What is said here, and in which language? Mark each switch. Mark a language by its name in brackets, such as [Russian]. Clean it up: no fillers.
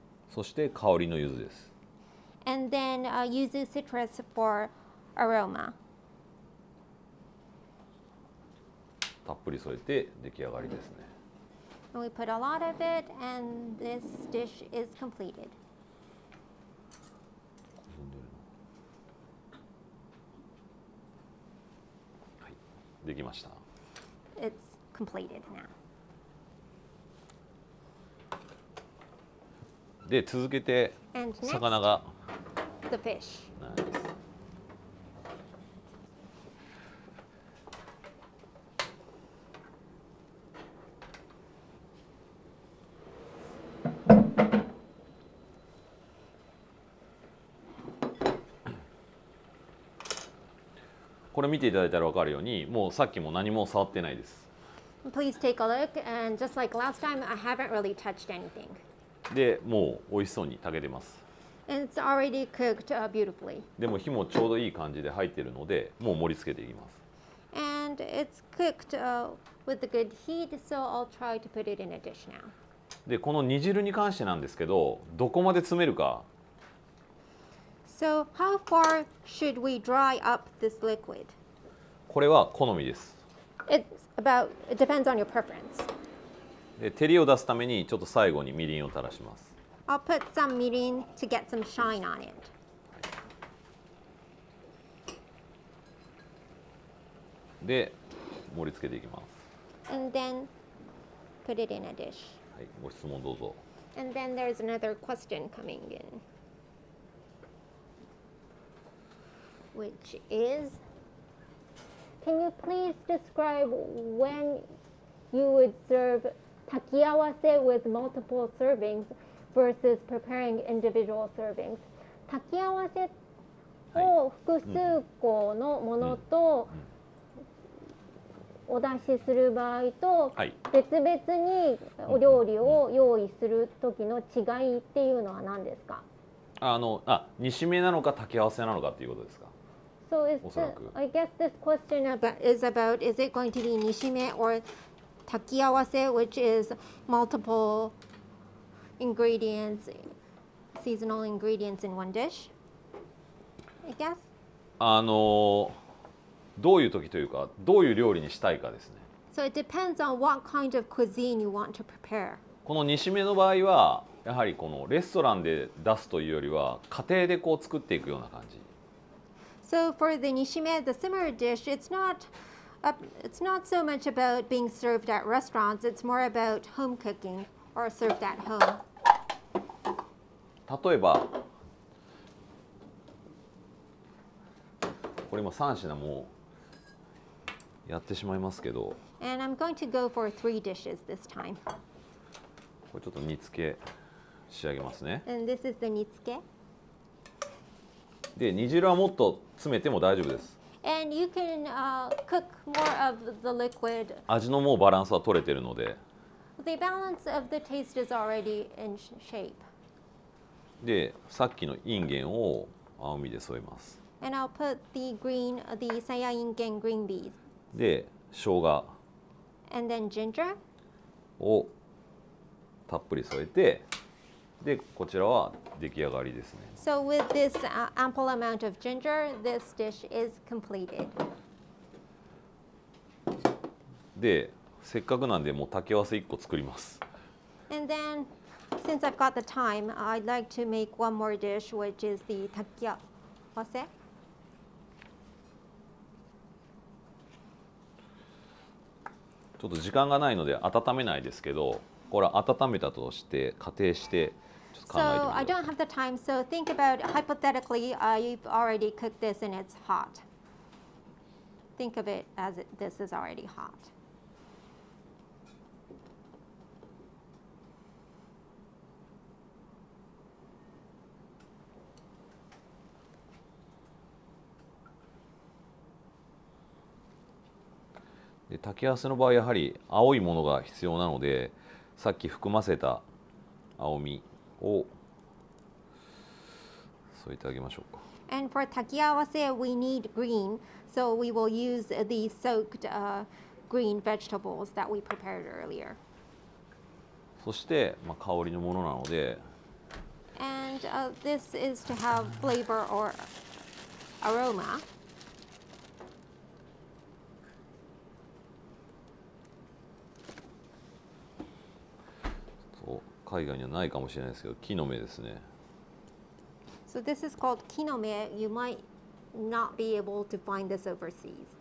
[Japanese] そして香りの柚子です。 [English] And then, yuzu citrus for aroma. [Japanese] たっぷり添えて出来上がりですね。 [English] And we put a lot of it, and this dish is completed. [Japanese] はい、できました。 [English] It's completed now. [Japanese] で続けて魚が [English] next, the fish. [Japanese] これ見ていただいたら分かるようにもうさっきも何も触ってないです。 [English] Please take a look and just like last time, I haven't really touched anything. [Japanese] でもう美味しそうに炊けてます。 [English] It's already cooked beautifully. [Japanese] でも火もちょうどいい感じで入っているのでもう盛り付けていきます。 [English] And it's cooked with a good heat, so I'll try to put it in a dish now. [Japanese] でこの煮汁に関してなんですけどどこまで詰めるか。 [English] So how far should we dry up this liquid? [Japanese] これは好みです。 [English] It's about, it depends on your preference. [Japanese] で照りを出すためにちょっと最後にみりんを垂らします。 [English] I'll put some mirin to get some shine on it. [Japanese] で盛り付けていきます。 [English] And then put it in a dish. [Japanese] はい、ご質問どうぞ。 [English] And then there's another question coming in. Which is, can you please describe when you would serve takiawase with multiple servings versus preparing individual servings. [Japanese] Takiawase を複数個のものとお出しする場合と別々にお料理を用意する時の違いっていうのは何ですか？煮しめなのか炊き合わせなのかっていうことですか？ [English] So is the, I guess this question is about is it going to be 煮しめ or takiawase, which is multiple ingredients, seasonal ingredients in one dish, I guess. [Japanese] どういう時というか、どういう料理にしたいかですね。 [English] So it depends on what kind of cuisine you want to prepare. [Japanese] この煮しめの場合は、やはりこのレストランで出すというよりは、家庭でこう作っていくような感じ。 [English] So for the nishime, the simmer dish, it's not so much about being served at restaurants. It's more about home cooking or served at home. [Japanese] 例えば、これも3品もやってしまいますけど。 [English] And I'm going to go for three dishes this time. [Japanese] これちょっと煮付け仕上げますね。 [English] And this is the 煮付け。 [Japanese] で、煮汁はもっと詰めても大丈夫です。 [English] And you can, cook more of the liquid. [Japanese] 味のもうバランスは取れているので。 [English] The balance of the taste is already in shape. [Japanese] で、さっきのインゲンを青みで添えます。 [English] And I'll put the green, the saya ingen green beads. [Japanese] で、生姜。 [English] And then ginger. [Japanese] をたっぷり添えて、で、こちらは出来上がりですね。 [English] So with this ample amount of ginger, this dish is completed. [Japanese] で、せっかくなんで、もう竹わせ1個作ります。 [English] And then, since I've got the time, I'd like to make one more dish, which is the 竹わせ。 [Japanese] ちょっと時間がないので温めないですけど、これ温めたとして仮定してちょっと考えてみます。 [English] So I don't have the time. So think about hypothetically, you've already cooked this and it's hot. Think of it as it, this is already hot. [Japanese] で、炊き合わせの場合やはり青いものが必要なので、さっき含ませた青みを添えてあげましょうか。 [English] And for 炊き合わせ we need green, so we will use the soaked, green vegetables that we prepared earlier. [Japanese] そして、まあ、香りのものなので [English] And, this is to have flavor or aroma. [Japanese] 海外にはないかもしれないですけど、木の芽ですね。 [English] So this is called 木の芽. You might not be able to find this overseas.